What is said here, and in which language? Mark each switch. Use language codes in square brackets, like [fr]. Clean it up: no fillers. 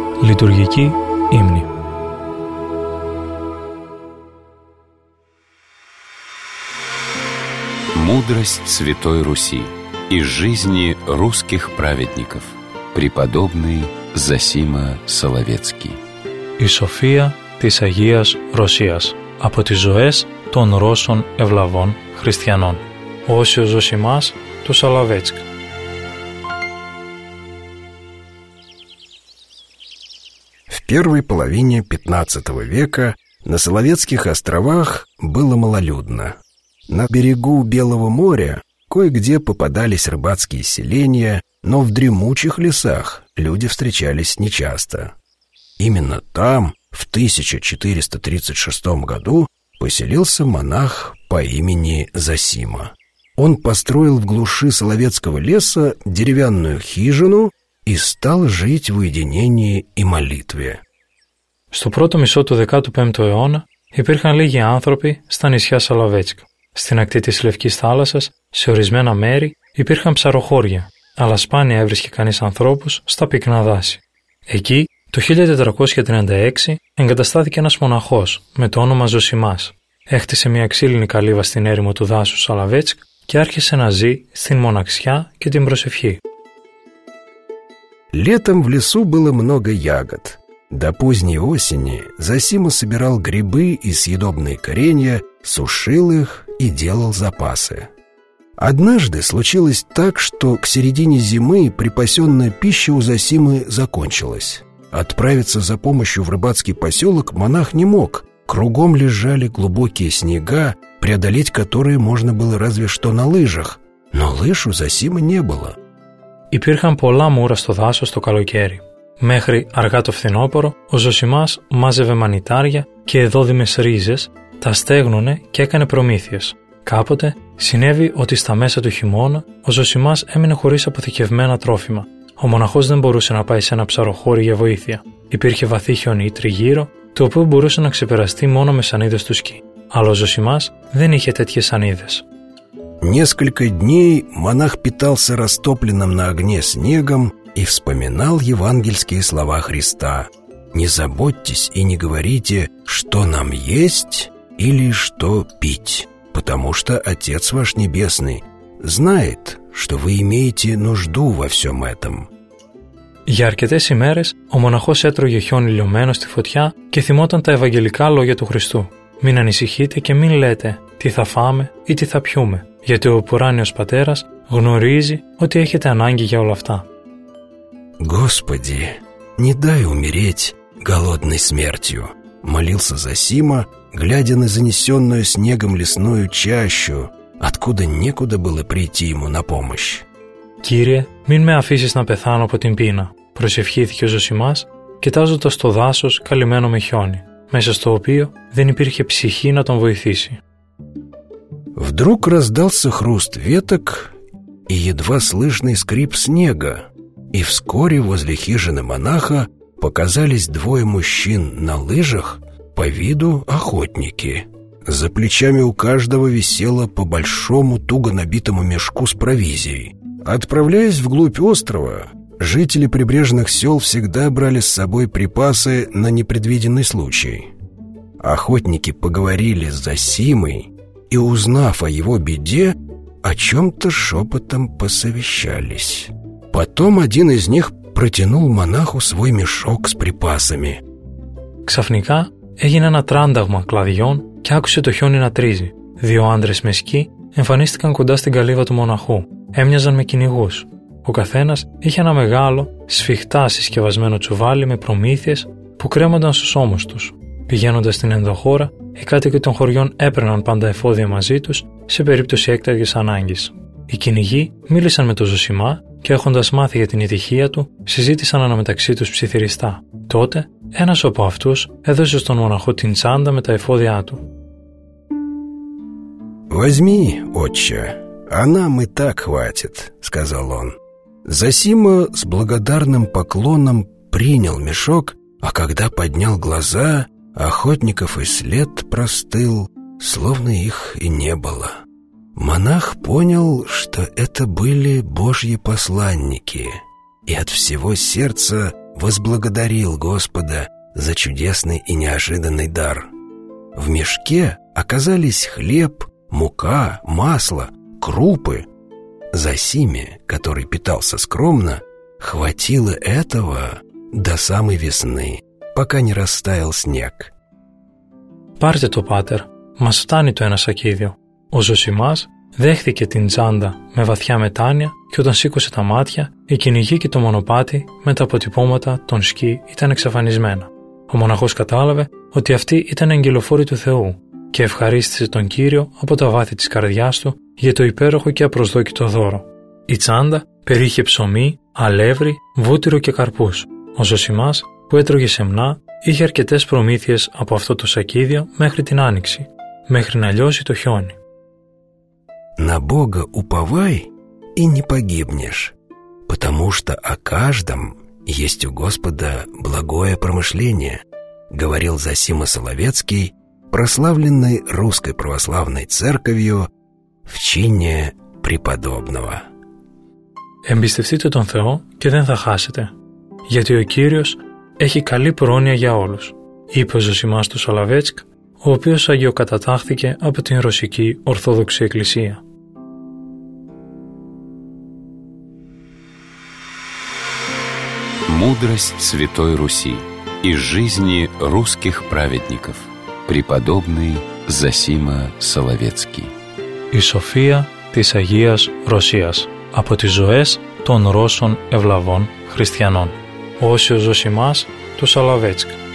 [el] Литургики имни. [ru] Мудрость Святой Руси из жизни русских праведников. Преподобный Зосима Соловецкий. [el] И София της Агίας Ρωσίας. Από τις ζωές των Ρώσων ευλαβών χριστιανών. Όσιος Ζωσιμάς του Σολοβέτσκ. [ru] В первой половине XV века на Соловецких островах было малолюдно. На берегу Белого моря кое-где попадались рыбацкие селения, но в дремучих лесах люди встречались нечасто. Именно там, в 1436 году, поселился монах по имени Зосима. Он построил в глуши Соловецкого леса деревянную хижину и стал жить в уединении и молитве. [el] Στο πρώτο μισό του 15ου αιώνα υπήρχαν λίγοι άνθρωποι στα νησιά Σολοβέτσκ. Στην ακτή της Λευκής θάλασσας, σε ορισμένα μέρη, υπήρχαν ψαροχώρια, αλλά σπάνια έβρισκε κανείς ανθρώπους στα πυκνά δάση. Εκεί, το 1436, εγκαταστάθηκε ένας μοναχός με το όνομα Ζωσιμάς. Έχτισε μια ξύλινη καλύβα στην έρημο του δάσου Σολοβέτσκ και άρχισε να ζει στην μοναξιά και την προσευχή. [ru] Летом в лесу было много ягод. До поздней осени Зосима собирал грибы и съедобные коренья, сушил их и делал запасы. Однажды случилось так, что к середине зимы припасенная пища у Зосимы закончилась. Отправиться за помощью в рыбацкий поселок монах не мог. Кругом лежали глубокие снега, преодолеть которые можно было разве что на лыжах. Но лышу за сима не было. [el] Υπήρχαν πολλά μούρα στο δάσος το καλοκαίρι. Μέχρι αργά το φθινόπωρο, ο Ζωσιμάς μάζευε μανιτάρια και εδόδυμες ρίζες, τα στέγνωνε και έκανε προμήθειες. Κάποτε συνέβη ότι στα μέσα του χειμώνα ο Ζωσιμάς έμεινε χωρίς αποθηκευμένα τρόφιμα. Ο μοναχός δεν μπορούσε να πάει σε ένα ψαροχώρι για βοήθεια. Υπήρχε βαθύ χιονί τριγύρω, το οποίο μπορούσε να ξεπεραστεί μόνο με σανίδες του σκι. Αλλά ο Ζωσιμάς δεν είχε τέτοιες σανίδες. [ru] Несколько дней монах питался растопленным на огне снегом и вспоминал евангельские слова Христа: «Не заботьтесь и не говорите, что нам есть или что пить, потому что Отец ваш Небесный знает, что вы имеете нужду во всем этом». [el] Για αρκετές ημέρες ο μοναχός έτρωγε χιόνι λιωμένο στη φωτιά και θυμόταν τα ευαγγελικά λόγια του Χριστού. «Μην ανησυχείτε και μην λέτε τι θα φάμε ή τι θα πιούμε, γιατί ο ουράνιος πατέρας γνωρίζει ότι έχετε ανάγκη για όλα αυτά». [ru] «Господи, не дай умереть голодной смертью», молился Зосима, глядя на занесенную снегом лесную чащу, откуда некуда было прийти ему на помощь. [el] «Κύριε, μην με αφήσεις να πεθάνω από την πείνα», προσευχήθηκε ο Ζωσιμάς, κοιτάζοντας το δάσος καλυμμένο με χιόνι, μέσα στο οποίο δεν υπήρχε ψυχή να τον βοηθήσει. [ru] Вдруг раздался хруст веток и едва слышный скрип снега, и вскоре возле хижины монаха показались двое мужчин на лыжах, по виду охотники. За плечами у каждого висело по большому туго набитому мешку с провизией. Отправляясь вглубь острова, жители прибрежных сел всегда брали с собой припасы на непредвиденный случай. Охотники поговорили с Зосимой и, узнав о его беде, о чем-то шепотом посовещались. Потом один из них протянул монаху свой мешок с припасами. [el] Ξαφνικά έγινε ένα τράνταγμα κλαδιών και άκουσε το χιόνι να τρίζει. Δύο άντρες με σκι εμφανίστηκαν κοντά στην καλύβα του μοναχού. Έμοιαζαν με κυνηγούς. Ο καθένας είχε ένα μεγάλο, σφιχτά συσκευασμένο τσουβάλι με προμήθειες που κρέμονταν στους ώμους τους. Πηγαίνοντας στην ενδοχώρα, οι κάτοικοι των χωριών έπαιρναν πάντα εφόδια μαζί τους σε περίπτωση έκτακτης ανάγκης. Οι κυνηγοί μίλησαν με τον Ζωσιμά και, έχοντας μάθει για την ητυχία του, συζήτησαν αναμεταξύ τους ψιθυριστά. Τότε, ένας από αυτούς έδωσε στον μοναχό την τσάντα με τα εφόδια του. [ru] «Возьми, отче, она мы так хватит», сказал он. Зосима с благодарным поклоном принял мешок, а когда поднял глаза, охотников и след простыл, словно их и не было. Монах понял, что это были Божьи посланники, и от всего сердца возблагодарил Господа за чудесный и неожиданный дар. В мешке оказались хлеб, мука, масло, крупы. Зосиме, который питался скромно, хватило этого до самой весны, пока не растаял снег. [el] «Πάρτε το, Πάτερ, μας φτάνει το ένα σακίδιο». Ο Ζωσιμάς δέχθηκε την τσάντα με βαθιά μετάνοια και όταν σήκωσε τα μάτια, η κυνηγή και το μονοπάτι με τα αποτυπώματα των σκι ήταν εξαφανισμένα. Ο μοναχός κατάλαβε ότι αυτοί ήταν αγγελοφόροι του Θεού και ευχαρίστησε τον Κύριο από τα βάθη της καρδιάς του για το υπέροχο και απροσδόκητο δώρο. Η τσάντα περιείχε ψωμί, αλεύρι, βούτυρο και καρπούς. Ο Ζωσιμάς, που έτρωγε σεμνά, είχε αρκετές προμήθειες από αυτό το σακίδιο μέχρι την άνοιξη, μέχρι να λιώσει το χιόνι. [ru] «На Бога уповай и не погибнешь, потому что о каждом есть у Господа благое промышление», говорил Зосима Соловецкий, прославленный Русской Православной Церковью в чине преподобного. [el] Εμπιστευτείτε τον Θεό και δεν θα χάσετε, γιατί ο Κύριος έχει καλή πρόνοια για όλους, είπε ο Ζωσιμάς του Σολαβέτσκ, ο οποίος αγιοκατατάχθηκε από την Ρωσική Ορθόδοξη Εκκλησία. [ru] Мудрость Святой Руси из жизни русских праведников. Преподобный Зосима Соловецкий. [el] Η Σοφία της Αγίας Ρωσίας από τις ζωές των Ρώσων ευλαβών χριστιανών. Όσιο Ζωσιμάς του Σολοβέτσκ.